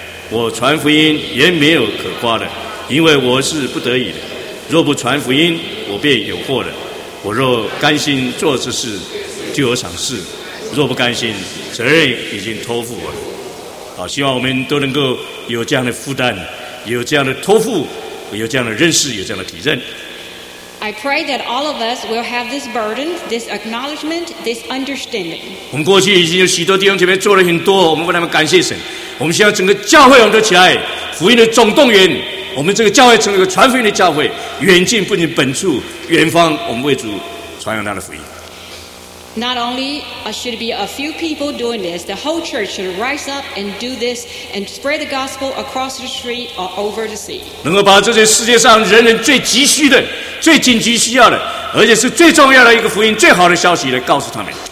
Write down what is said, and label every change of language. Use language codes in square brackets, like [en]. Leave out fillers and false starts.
[zh] 我传福音原没有可夸的，因为我是不得已的，若不传福音我便有祸的。我若甘心做这事就有赏赐，若不甘心责任已经托付我了。好，希望我们都能够有这样的负担，有这样的托付，有这样的认识，有这样的体认。 [en] I pray that all of us will have this burden, this acknowledgement, this understanding. [zh] 我们过去已经有许多弟兄姐妹做了很多，我们为他们感谢神。我们希望整个教会我们都起来，福音的总动员，我们这个教会成为一个传福音的教会，远近不仅本处，远方，我们为主传扬他的福音。 [en] Not only should be a few people doing this, the whole church should rise up and do this and spread the gospel across the street or over the sea. [zh] 能够把这些世界上人人最急需的、最紧急需要的，而且是最重要的一个福音、最好的消息来告诉他们。